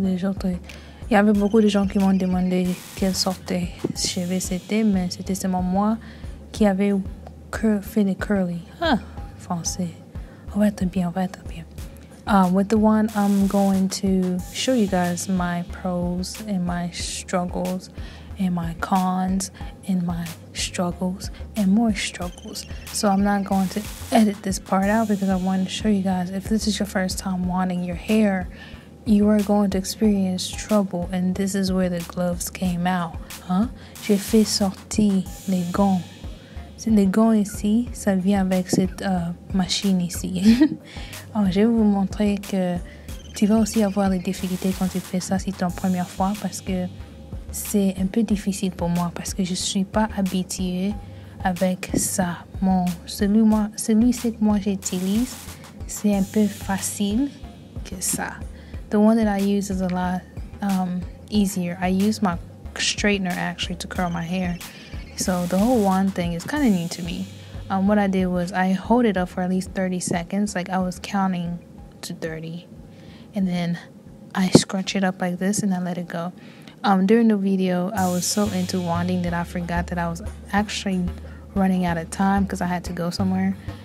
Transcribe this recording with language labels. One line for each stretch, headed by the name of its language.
French: Il y avait beaucoup de gens qui m'ont demandé quelle sorte de cheveux c'était, mais c'était seulement moi qui avait fait des curly. Huh, français. On va être bien.
English: With the wand, I'm going to show you guys my pros and my struggles and my cons and my struggles and more struggles. So I'm not going to edit this part out because I want to show you guys, if this is your first time wanding your hair, you are going to experience trouble, and this is where the gloves came out.
French: Huh? J'ai fait sortir les gants. C'est les gants ici, ça vient avec cette machine ici. Alors, je vais vous montrer que tu vas aussi avoir des difficultés quand tu fais ça si c'est ton première fois, parce que c'est un peu difficile pour moi parce que je suis pas habituée avec ça. Celui que moi j'utilise, c'est un peu facile que ça.
English: The one that I use is a lot easier. I use my straightener actually to curl my hair. So the whole wand thing is kind of new to me. What I did was I hold it up for at least 30 seconds. Like, I was counting to 30. And then I scrunch it up like this and I let it go. During the video, I was so into wanding that I forgot that I was actually running out of time because I had to go somewhere.